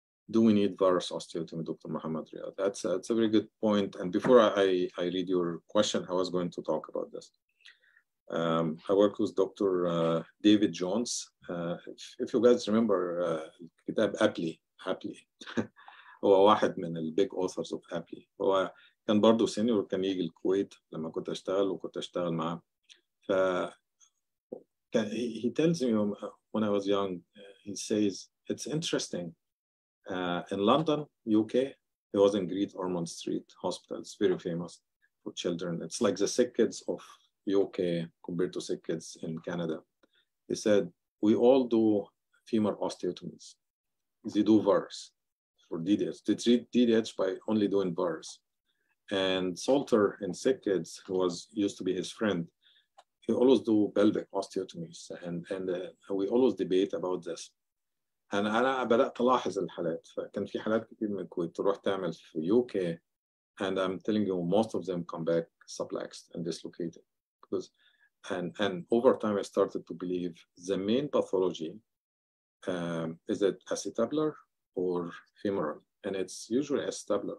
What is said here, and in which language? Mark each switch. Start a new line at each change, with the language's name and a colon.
English: Do we need varus osteotomy, Dr. Mohammad Riyad? That's a very good point. And before I read your question, I was going to talk about this. I work with Dr. David Jones. If you guys remember,
Arabic: كتاب أبلي, أبلي. هو واحد من ال
English: big authors of
Arabic: أبلي. هو كان برضو سينيور كان يجي الكويت لما كنت أشتغل وكنت أشتغل معه.
English: He tells me when I was young, he says, it's interesting. In London, UK, it was in Great Ormond Street Hospital. It's very famous for children. It's like the sick kids of UK compared to sick kids in Canada. He said, we all do femur osteotomies. They do varus for DDH. They treat DDH by only doing varus. And Salter in sick kids, who was used to be his friend, he always do pelvic osteotomies, and we always debate about this. And
Arabic: أنا بدأت ألاحظ الحالات. كان في حالات كتير من الكويت تروح تعمل في
English: UK, and I'm telling you, most of them come back subluxed and dislocated. Because, and over time, I started to believe the main pathology is it acetabular or femoral, and it's usually acetabular.